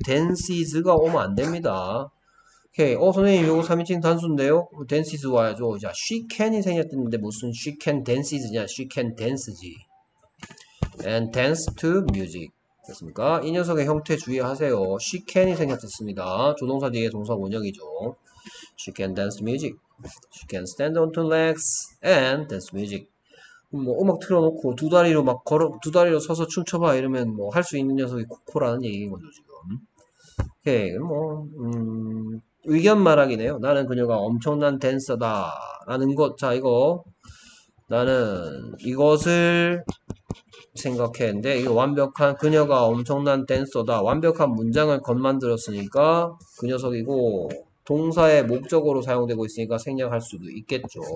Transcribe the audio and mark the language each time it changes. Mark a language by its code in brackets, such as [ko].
[ko] dances가 오면 안 됩니다. 오케이. 선생님 요거 3인칭 단수인데요? dances 와야죠. 자, [en] she can [ko] 이 생겼는데 무슨 [en] she can dances [ko] 냐? [en] she can dance지. and dance to music [ko] 됐습니까? 이 녀석의 형태 주의하세요. [en] she can [ko] 이 생겼었습니다. 조동사 뒤에 동사 원형이죠. [en] she can dance music. she can stand on two legs and dance music. [ko] 뭐 음악 틀어놓고 두 다리로 막 걸어 두 다리로 서서 춤춰봐 이러면 뭐할수 있는 녀석이 코코라는 얘기인 거죠 지금. 오케이 뭐 의견 말하기네요. 나는 그녀가 엄청난 댄서다라는 것. 자 이거 나는 이것을 생각했는데 이거 완벽한 그녀가 엄청난 댄서다 완벽한 문장을 겉만 들었으니까 그 녀석이고 동사의 목적으로 사용되고 있으니까 생략할 수도 있겠죠.